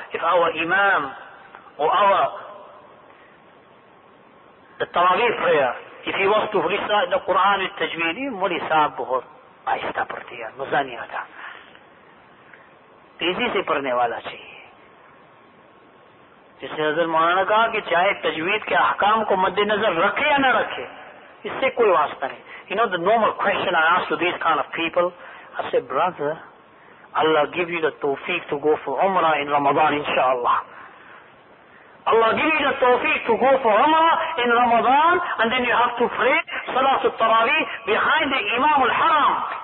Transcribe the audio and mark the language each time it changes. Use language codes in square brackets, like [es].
[en] If our imam or the Taraweeh prayer, if he was to recite the Quran with Tajweed, he would say, [ur] بہت آہستہ پڑھتے ہیں, مزہ نہیں آتا, تیزی سے پڑھنے والا چاہیے. جس نے حضرت مولانا کہا کہ چاہے تجوید کے احکام کو مد نظر رکھے یا نہ رکھے, اس سے کوئی واسطہ نہیں. [en] You know the normal question I ask to these kind of people, I said, brother, Allah give you the tawfiq to go for Umrah in Ramadan, inshaAllah. Allah give you the tawfiq to go for Umrah in Ramadan, and then you have to pray Salatul Taraweeh behind the Imam al-Haram.